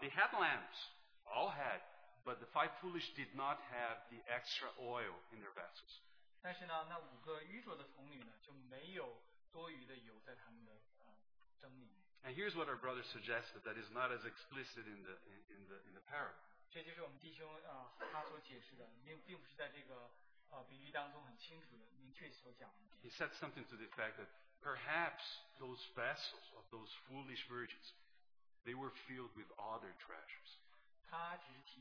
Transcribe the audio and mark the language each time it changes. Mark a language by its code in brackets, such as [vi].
[en] They had lamps, all had, but the five foolish did not have the extra oil in their vessels. [zh] 但是呢，那五个愚拙的童女呢，就没有多余的油在他们的蒸里面。 [en] And here's what our brother suggested that is not as explicit in the parable. [zh] 这就是我们弟兄他所解释的，并不是在这个比喻当中很清楚的明确所讲的。 [en] He said something to the effect that perhaps those vessels of those foolish virgins, they were filled with other treasures.